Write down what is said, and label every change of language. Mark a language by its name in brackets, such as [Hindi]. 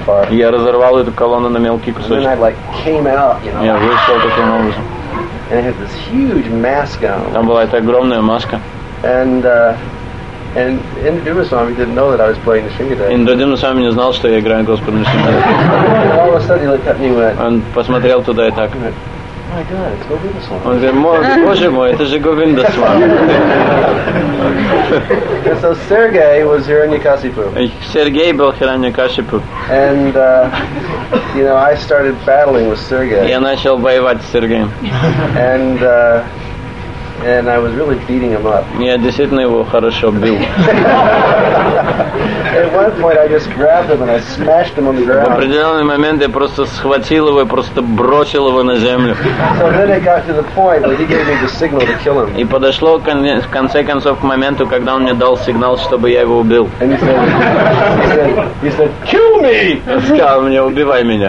[Russian] Я разорвал эту колонну на мелкие кусочки. [English] And then I like came out, you know. [Russian] Я вышел таким образом. [English] And it had this huge mask on. [Russian] Там была эта огромная маска. [English] And Indradyumna Swami didn't know that I was playing the Nrsimhadeva. [Russian] Indradyumna Swami не знал, что я играю Господа Нрсимхадева. [English] And all of a sudden he looked at me and went, [Russian] он посмотрел туда и так. [English] My God, it's Govinda Swami. [Russian] Он говорит, Боже мой, это же Говинда Свами. [English] So Sergei was Hiranyakashipu. [Russian] Сергей был Хираньякашипу. [English] And you know, I started battling with Sergei. [Russian] Я начал воевать с Сергеем. [English] And I was really beating him up. [Russian] Я действительно его хорошо бил. [English] At one point I just grabbed him and I smashed him on the ground. [Russian] В определенный момент я просто схватил его и просто бросил его на землю. [English] So then it got to the point where he gave me the signal to kill him. [Russian] И подошло в конце концов к моменту, когда он мне дал сигнал, чтобы я его убил. [English] And he said, kill me! [Russian] Он сказал мне, убивай меня.